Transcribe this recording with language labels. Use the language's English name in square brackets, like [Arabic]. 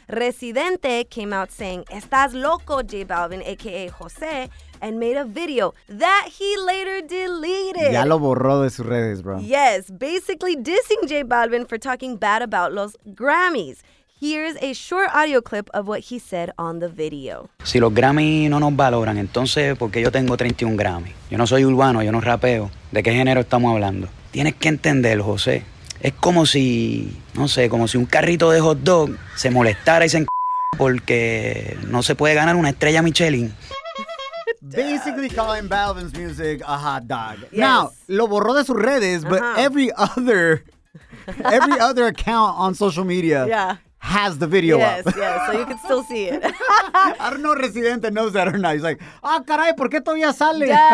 [English] Residente came out saying, [Spanish] "Estás loco, [English] J Balvin, aka José," and made a video that he later deleted. [Spanish] Ya lo borró de sus redes, bro. [English] Yes, basically dissing J Balvin for talking bad about los Grammys. Here's a short audio clip of what he said on the video. [Spanish] Si los Grammy no nos valoran, entonces, ¿por qué yo tengo 31 Grammy? Yo no soy urbano, yo no rapeo. ¿De qué género estamos hablando? Tienes que entender, José. Es como si, no sé, como si un carrito de hot dog se molestara y se porque no se puede ganar una estrella Michelin. [English] Basically calling Balvin's music a hot dog. Yes. Now, [Spanish] lo borró de sus redes, [English] but every other account on social media. Yeah. Has the video yes, up. Yes, so you can still see it. I don't know if Residente knows that or not. He's like, oh, [Spanish] caray, ¿por qué todavía sale?